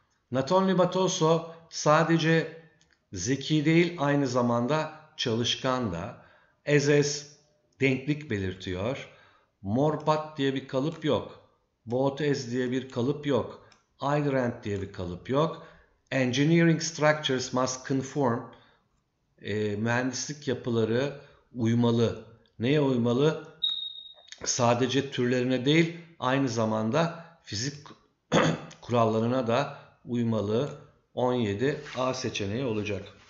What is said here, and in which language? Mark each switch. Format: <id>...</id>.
<tr>Not only but also, sadece zeki değil aynı zamanda çalışkan da. As is, denklik belirtiyor. More but diye bir kalıp yok. Both as diye bir kalıp yok. Either and diye bir kalıp yok.</tr> <en>Engineering structures must conform.</en> <tr>Mühendislik yapıları uymalı. Neye uymalı? Sadece türlerine değil aynı zamanda fizik kurallarına da uymalı. 17 A seçeneği olacak.</tr>